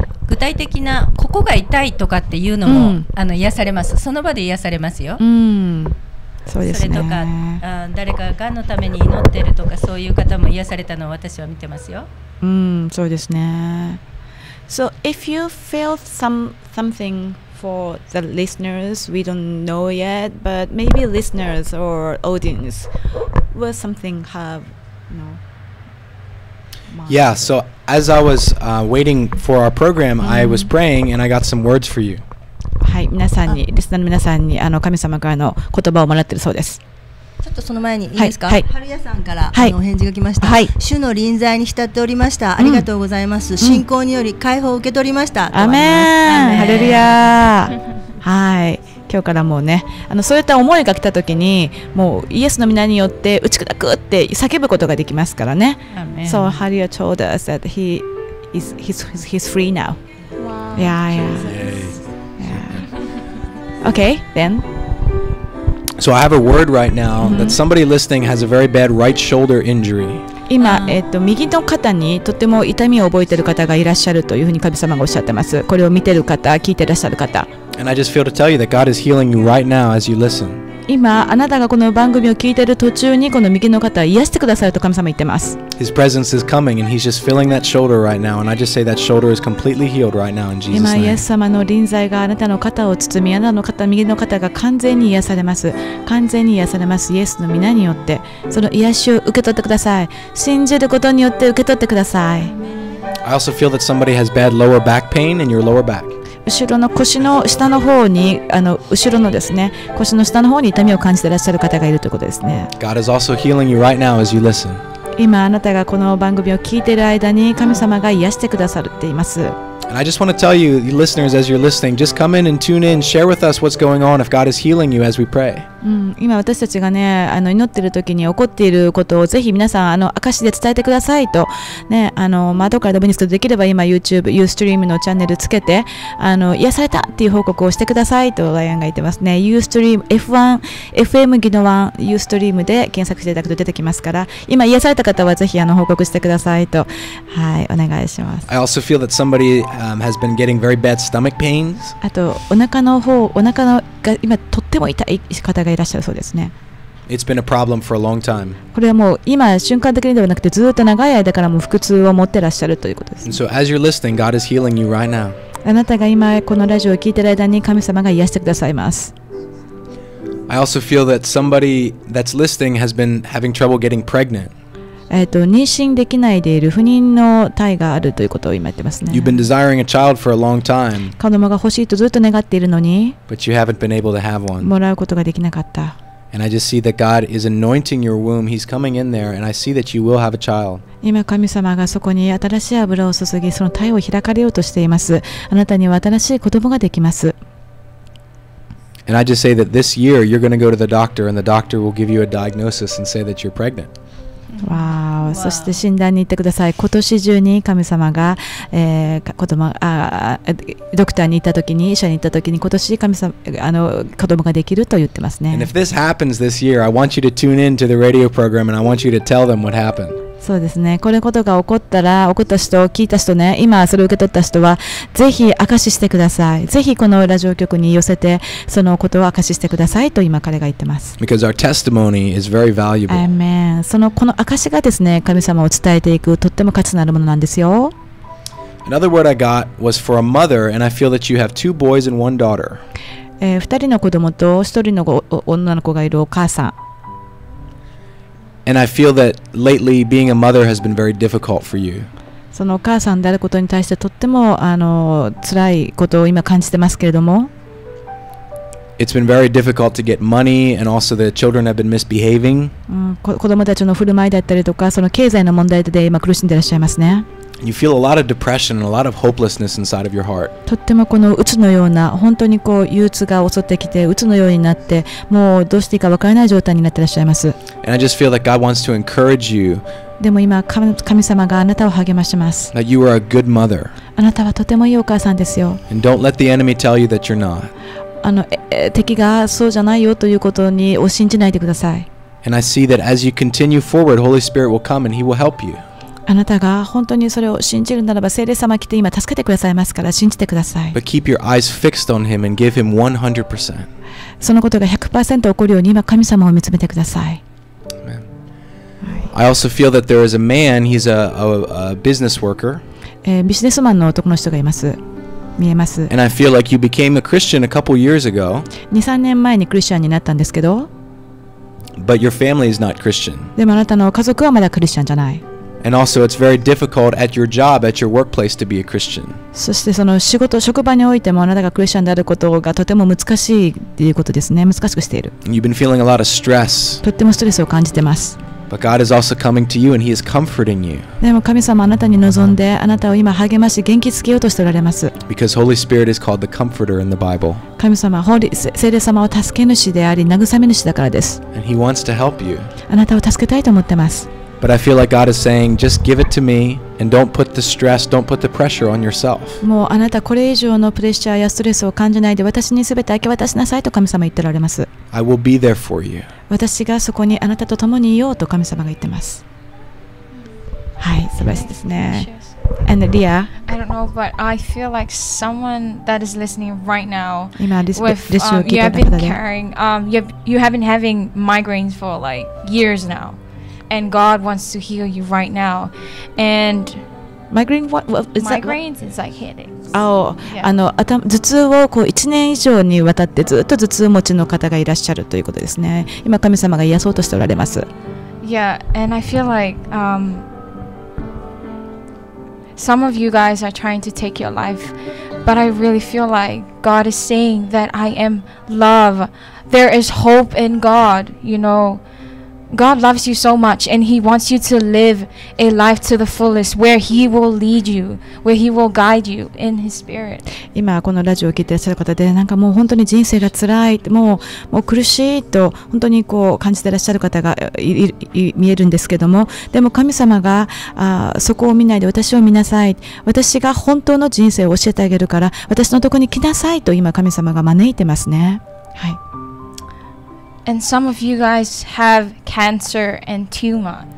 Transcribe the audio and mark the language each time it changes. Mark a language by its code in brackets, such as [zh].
[ja] 具体的なここが痛いとかっていうのも、癒されます。その場で癒されますよ、そうですね。それとか誰かがんのために祈ってるとかそういう方も癒されたのを私は見てますよ、そうですね。 [en] So if you feel something for the listeners, we don't know yet, but maybe listeners or audience will something have, you know. Yeah, so as I was waiting for our program, I was praying and I got some words for you. [ja] はい、皆さんに、リスナーの皆さんに、神様からの言葉をもらってるそうです。ちょっとその前にいいですか。はい、春屋さんから、お返事が来ました。はい、主の臨在に浸っておりました。ありがとうございます。信仰により解放を受け取りました。アメン。ハレルヤ。はい。今日からもうね、そういった思いが来た時にもうイエスの名によって打ち砕くって叫ぶことができますからね。 [en] So Haria told us that he's free now. Wow. Yeah, yeah. Yeah. Okay, then. So I have a word right now that somebody listening has a very bad right shoulder injury. [ja] 今、右の肩にとても痛みを覚えている方がいらっしゃるというふうに神様がおっしゃってます。これを見てる方、聞いてらっしゃる方。 [en] And I just feel to tell you that God is healing you right now as you listen. [ja] 今あなたがこの番組を聞いている途中にこの右の方を癒してくださると神様言ってます。 [en] His presence is coming and he's just filling that shoulder right now. And I just say that shoulder is completely healed right now in Jesus' name. [ja] 今イエス様の臨在があなたの肩を包み、あなたの肩、右の肩が完全に癒されます。完全に癒されます。イエスの皆によってその癒しを受け取ってください。信じることによって受け取ってください。 [en] I also feel that somebody has bad lower back pain in your lower back. [ja] 後ろの腰の下の方に後ろのですね、腰の下の方に痛みを感じていらっしゃる方がいるということですね。 [en] God is also healing you right now as you listen. [ja] 今あなたがこの番組を聞いている間に神様が癒してくださっています。 [en] And I just want to tell you, the listeners, as you're listening, just come in and tune in, share with us what's going on if God is healing you as we pray. [ja] 今私たちがね、祈っている時に起こっていることをぜひ皆さん、証で伝えてくださいと、ね、窓からでもいいんですけど、できれば今 YouTube、Ustream のチャンネルつけて、癒されたっていう報告をしてくださいとライアンが言ってますね。 Ustream、F1、FM 宜野湾、Ustream で検索していただくと出てきますから、今癒された方はぜひ報告してくださいと、はい、お願いします。 [en] I also feel that somebody, has been getting very bad stomach pains. [ja] あと、お腹のが今とっても痛い方がいらっしゃるそうですね。 [en] It's been a problem for a long time. [ja] これはもう今瞬間的にではなくてずっと長い間からも腹痛を持ってらっしゃるということです、ね。 [en] And so as you're listening, God is healing you right now. [ja] あなたが今このラジオを聞いてる間に神様が癒してくださいます。 [en] I also feel that somebody that's listening has been having trouble getting pregnant. [ja] 妊娠できないでいる不妊の体があるということを今言ってますね。 [en] You've been desiring a child for a long time. [ja] 子供が欲しいとずっと願っているのに。 [en] But you haven't been able to have one. [ja] もらうことができなかった。 [en] And I just see that God is anointing your womb. He's coming in there, and I see that you will have a child. [ja] 今神様がそこに新しい油を注ぎ、その胎を開かれようとしています。あなたには新しい子供ができます。 [en] And I just say that this year you're going to go to the doctor, and the doctor will give you a diagnosis and say that you're pregnant. Wow. [ja] そして診断に行ってください。今年中に神様が、子供ドクターに行った時に医者に行った時に今年神様子供ができると言ってますね。 [en] And if this happens this year, I want you to tune in to the radio program and I want you to tell them what happened. [ja] そうですね。これことが起こったら、起こった人、聞いた人ね、今それを受け取った人は、ぜひ証ししてください。ぜひこのラジオ局に寄せて、そのことを証ししてくださいと今彼が言ってます。 [en] Because our testimony is very valuable. Amen. [ja] この証しがですね、神様を伝えていくとっても価値のあるものなんですよ。 [en] Another word I got was for a mother, and I feel that you have two boys and one daughter. [ja] 二人の子供と一人の女の子がいるお母さん。 [en] And I feel that lately being a mother has been very difficult for you. [ja] そのお母さんであることに対してとっても辛いことを今感じてますけれども。 [en] It's been very difficult to get money, and also the children have been misbehaving. [ja] 子供たちの振る舞いだったりとか、その経済の問題で今苦しんでいらっしゃいますね。 [en] You feel a lot of depression and a lot of hopelessness inside of your heart. [ja] とってもこの鬱のような本当にこう憂鬱が襲ってきて鬱のようになってもうどうしていいか分からない状態になっていらっしゃいます。 [en] And I just feel that God wants to encourage you. [ja] でも今神様があなたを励まします。 [en] That you are a good mother. [ja] あなたはとてもいいお母さんですよ。 [en] And don't let the enemy tell you that you're not. [ja] 敵がそうじゃないよということにを信じないでください。 [en] And I see that as you continue forward, Holy Spirit will come and He will help you. [ja] あなたが本当にそれを信じるならば聖霊様来て今助けてくださいますから信じてください。 [en] But keep your eyes fixed on him and give him 100%. [ja] そのことが 100% 起こるように今神様を見つめてください。 [en] Amen. I also feel that there is a man, he's a business worker. [ja] ビジネスマンの男の人がいます。見えます。 [en] And I feel like you became a Christian a couple years ago. [ja] 2、3年前にクリスチャンになったんですけど。 [en] But your family is not Christian. [ja] でもあなたの家族はまだクリスチャンじゃない。 [en] And also, it's very difficult at your job, at your workplace, to be a Christian. [ja] そしてその仕事、職場においてもあなたがクリスチャンであることがとても難しいということですね。難しくしている。 [en] And you've been feeling a lot of stress. [ja] とってもストレスを感じてます。 [en] But God is also coming to you, and He is comforting you. [ja] でも神様あなたに望んで、あなたを今励まし、元気つけようとしておられます。 [en] Because Holy Spirit is called the Comforter in the Bible. [ja] 神様、聖霊様を助け主であり、慰め主だからです。 [en] And He wants to help you. [ja] あなたを助けたいと思ってます。 [en] But I feel like God is saying, just give it to me and don't put the stress, don't put the pressure on yourself. [ja] もうあなたこれ以上のプレッシャーやストレスを感じないで私にすべて明け渡しなさいと神様言っておられます。 [en] I will be there for you. [ja] 私がそこにあなたと共にいようと神様が言ってます。はい、素晴らしいですね。 [en] And Leah, I don't know, but I feel like someone that is listening right now, you have been having migraines for like years now. And God wants to heal you right now. And migraine, what is that? Migraines, it's like headaches. Oh, yeah. [ja] 頭痛をこう1年以上にわたってずっと頭痛持ちの方がいらっしゃるということですね。今神様が癒そうとしておられます。 [en] Yeah, and I feel like some of you guys are trying to take your life, but I really feel like God is saying that I am love. There is hope in God, you know. God loves you so much and He wants you to live a life to the fullest where He will lead you, where He will guide you in His Spirit. [ja] 今このラジオを聞いていらっしゃる方で、なんかもう本当に人生が辛い、もう苦しいと本当にこう感じていらっしゃる方が見えるんですけども、でも神様がそこを見ないで私を見なさい。私が本当の人生を教えてあげるから、私のところに来なさいと今神様が招いてますね。はい。 [en] And some of you guys have cancer and tumor.